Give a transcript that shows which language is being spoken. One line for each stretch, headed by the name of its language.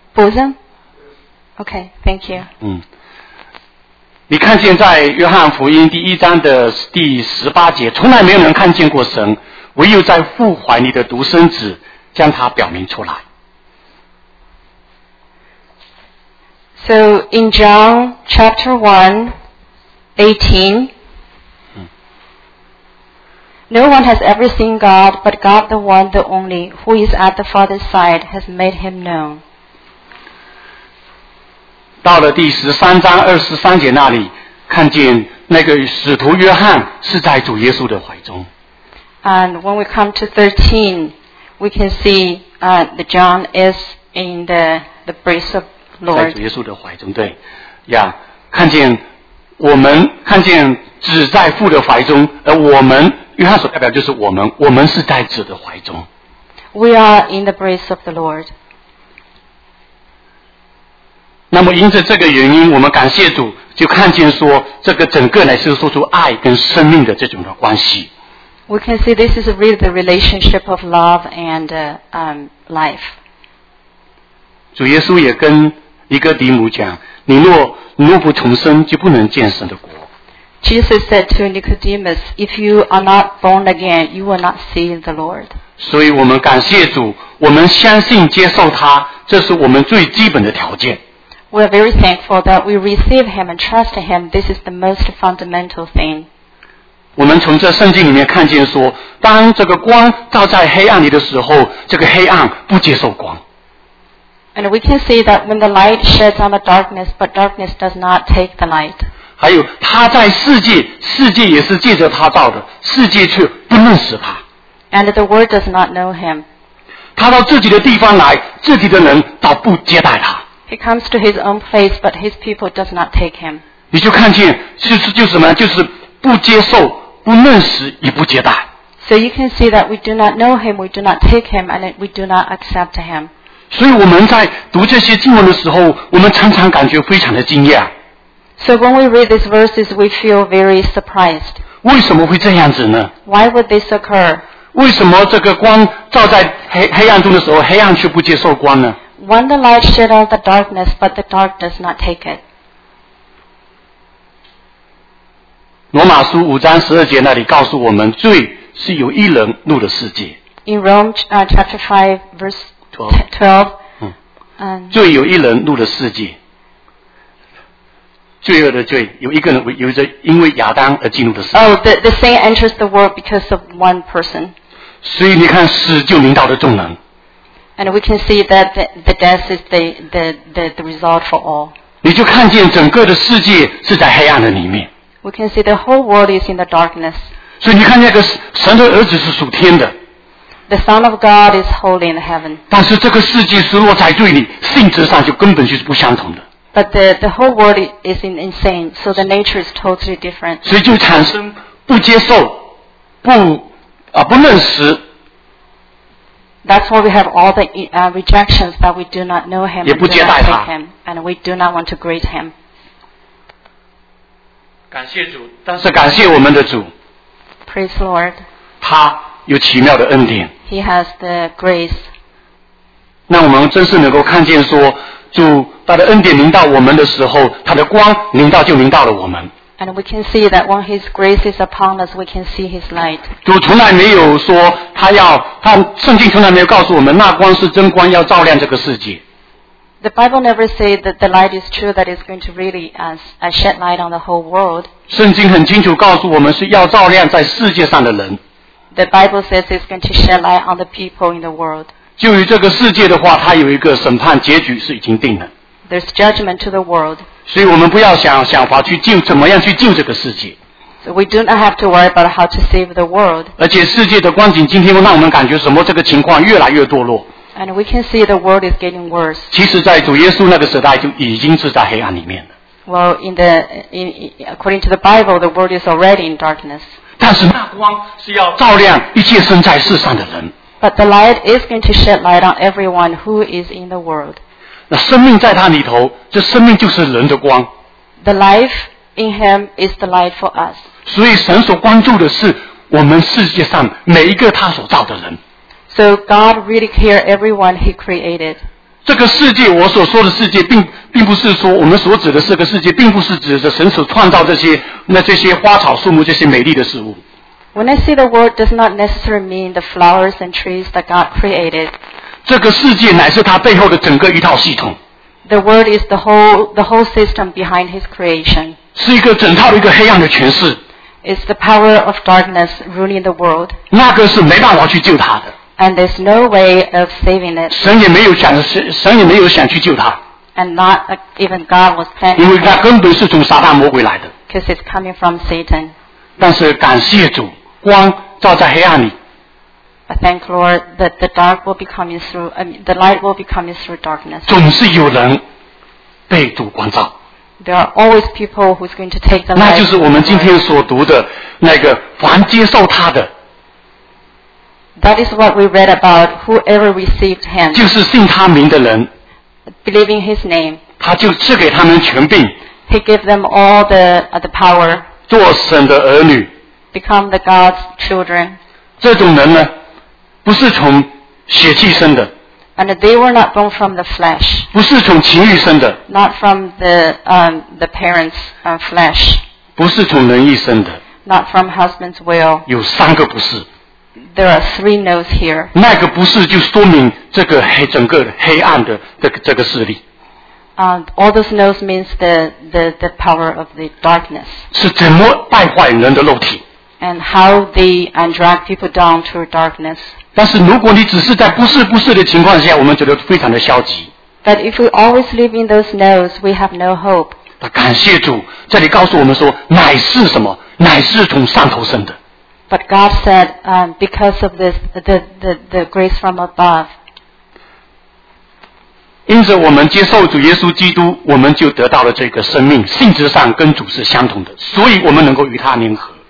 Chinese: 不是。
English: Okay, thank you.
Chinese: 你看见在约翰福音第一章的第十八节，从来没有人看见过神，唯有在父怀里的独生子将他表明出来。
English: So in John chapter 1:18, no one has ever seen God, but God the one, the only, who is at the Father's side, has made him known.
Chinese: 到了第十三章二十三节那里，看见那个使徒约翰是在主耶稣的怀中。
English: And when we come to 13, we can see that John is in the breast of Lord.
Chinese: 在主耶稣的怀中，对，呀、yeah, ，看见我们看见子在父的怀中，而我们约翰所代表就是我们是在子的怀中。
English: We are in the breast of the Lord.
Chinese: 那么因着这个原因，我们感谢主，就看见说这个整个乃是说出爱跟生命的这种的关系。
English: We can see this is really the relationship of love and life.
Chinese: 主耶稣也跟尼哥底母讲，你若不重生，就不能见神的国。
English: Jesus said to Nicodemus, if you are not born again, you will not see the Lord.
Chinese: 所以我们感谢主，我们相信接受他，这是我们最基本的条件。
English: We are very thankful that we receive Him and trust Him. This is the most fundamental thing.
Chinese: 我们从这圣经里面看见说，当这个光照在黑暗里的时候，这个黑暗不接受光。
English: And we can see that when the light sheds on the darkness, but darkness does not take the light.
Chinese: 还有他在世界，世界也是借着他照的，世界却不认识他。
English: And the world does not know Him.
Chinese: 他到自己的地方来，自己的人倒不接待他。
English: He comes to his own place, but his people does not take him.
Chinese: 你就看见，就是什么，就是不接受、不认识、也不接待。
English: So you can see that we do not know him, we do not take him, and we do not accept him.
Chinese: 所以我们在读这些经文的时候，我们常常感觉非常的惊讶。
English: So when we read these verses, we feel very surprised.
Chinese: 为什么会这样子呢？
English: Why would this occur?
Chinese: 为什么这个光照在 黑暗中的时候，黑暗却不接受光呢？
English: When the light shed on the darkness, but the dark does not take it.
Chinese: 罗马书五章十二节那里告诉我们，罪是由一人入的世界。
English: In Rome, chapter 5, verse 12.
Chinese: 罪由一人入的世界。罪恶的罪，有一个人有着因为亚当而进入的世界。
English: The sin enters the world because of one person.
Chinese: 所以你看，死就领导了众人。
English: And we can see that the death is the result for all.
Chinese: 你就看见整个的世界是在黑暗的里面。
English: We can see the whole world is in the darkness.
Chinese: 所以你看，那个神的儿子是属天的。
English: The Son of God is holy in heaven.
Chinese: 但是这个世界是落在罪里，性质上就根本就是不相同的。
English: But the whole world is insane, so the nature is totally different.
Chinese: 所以就产生不接受、不认识。
English: That's why we have all the rejections that we do not know him,
Chinese: 也不接待他
English: him, and we do not want to greet him.
Chinese: 感谢主，但是感谢我们的主。
English: Praise Lord.
Chinese: 他有奇妙的恩典。
English: He has the grace.
Chinese: 那我们真是能够看见说。主他的恩典临到我们的时候，他的光临到就临到了我们。
English: And we can see that when His grace is upon us, we can see His light.
Chinese: 主从来没有说他要，他圣经从来没有告诉我们那光是真光，要照亮这个世界。
English: The Bible never said that the light is true that is going to really shed light on the whole world.
Chinese: 圣经很清楚告诉我们是要照亮在世界上的人。
English: The Bible says it's going to shed light on the people in the world.
Chinese: 就于这个世界的话，它有一个审判结局是已经定了。
English: There's judgment to the world.
Chinese: 所以我们不要想法去救，怎么样去救这个世界。
English: So we do not have to worry about how to save the world.
Chinese: 而且世界的光景今天会让我们感觉什么？这个情况越来越堕落。
English: And we can see the world is getting worse.
Chinese: 其实，在主耶稣那个时代就已经是在黑暗里面了。
English: Well, according to the Bible, the world is already in darkness.
Chinese: 但是那光是要照亮一切身在世上的人。
English: But the light is going to shed light on everyone who is in the world.
Chinese: 那生命在他里头，这生命就是人的光。
English: The life in him is the light for us.
Chinese: 所以神所关注的是我们世界上每一个他所造的人。
English: So God really cares everyone he created.
Chinese: 这个世界，我所说的世界并不是说我们所指的这个世界，并不是指着神所创造这些花草树木这些美丽的事物。
English: When I say the world does not necessarily mean the flowers and trees that God created.
Chinese: 这个世界乃是他背后的整个一套系统。
English: The world is the whole system behind his creation.
Chinese: 是一个整套的一个黑暗的权势。
English: It's the power of darkness ruling the world.
Chinese: 那个是没办法去救他的。
English: And there's no way of saving it.
Chinese: 神也没有想去救他。
English: And not even God was planning.
Chinese: 因为他根本是从撒旦魔鬼来的。
English: Because it's coming from Satan.
Chinese: 但是感谢主，光照在黑暗里。
English: I thank Lord that the dark will be coming through, the light will be coming through darkness.
Chinese: 总是有人被主光照。
English: There are always people who's going to take the light.
Chinese: 那就是我们今天所读的那个凡接受他的。
English: That is what we read about. Whoever received him.
Chinese: 就是信他名的人。
English: Believing his name.
Chinese: 他就赐给他们权柄。
English: He gave them all the power.
Chinese: 做神的儿女
English: become the God's children.
Chinese: 这种人呢不是从血气生的
English: and they were not born from the flesh.
Chinese: 不是从情欲生的
English: not from the parents' flesh.
Chinese: 不是从人意生的
English: not from husband's will.
Chinese: 有三个不是
English: there are three no's here.
Chinese: 那个不是就说明这个黑整个黑暗的这个势力
English: All those notes means the power of the darkness.
Chinese: 是怎么败坏人的肉体
English: And how they drag people down to darkness.
Chinese: 但是如果你只是在不是的情况下，我们觉得非常的消极。
English: But if we always live in those notes, we have no hope.
Chinese: 感谢主，这里告诉我们说，乃是什么？乃是从上头生的。
English: But God said, because of this, the grace from above.
Chinese: 因此我们接受主耶稣基督，我们就得到了这个生命，性质上跟主是相同的，所以我们能够与他联合。